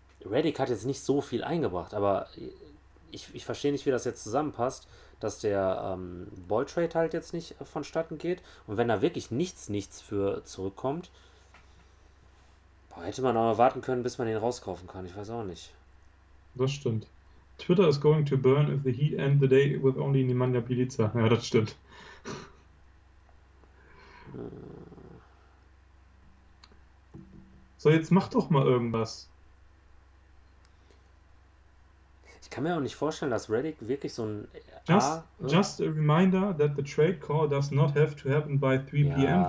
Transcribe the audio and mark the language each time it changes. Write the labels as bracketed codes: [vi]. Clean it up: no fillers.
[de] Redick hat jetzt nicht so viel eingebracht, aber ich verstehe nicht, wie das jetzt zusammenpasst, dass der Balltrade halt jetzt nicht vonstatten geht. Und wenn da wirklich nichts für zurückkommt, boah, hätte man auch warten können, bis man ihn rauskaufen kann. Ich weiß auch nicht. Das stimmt. [en] Twitter is going to burn if the Heat end the day with only Nemanja Bjelica. [de] Ja, das stimmt. So, jetzt mach doch mal irgendwas. Ich kann mir auch nicht vorstellen, dass Reddick wirklich so ein [en] Just A. a reminder that the trade call does not have to happen by 3 p.m.